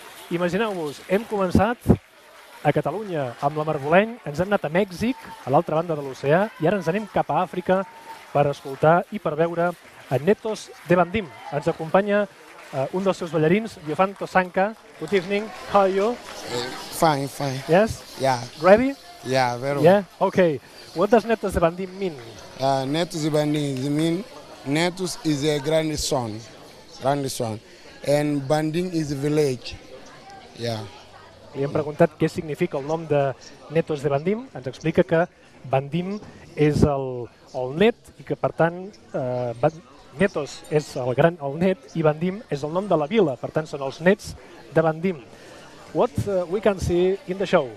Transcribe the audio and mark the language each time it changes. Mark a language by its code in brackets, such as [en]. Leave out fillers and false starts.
[ca] Imagineu-vos, hem començat a Catalunya amb la Marboleny, ens hem anat a Mèxic, a l'altra banda de l'oceà, i ara ens anem cap a Àfrica per escoltar i per veure a Netos de Bandim. Ens acompanya un dels seus ballarins, Diofan Tosanka. [en] Good evening, how are you? Fine, fine. Yes? Yeah. Ready? Yeah, very well. Yeah? Okay. What does Netos de Bandim mean? Netos de Bandim means Netos is a grandson. Grandson. And Bandim is a village. Yeah. [ca] Li hem preguntat què significa el nom de Netos de Bandim. Ens explica que Bandim és el net i que, per tant, Netos és el gran, el net, i Bandim és el nom de la vila, per tant, són els nets de Bandim. [en] What we can see in the show?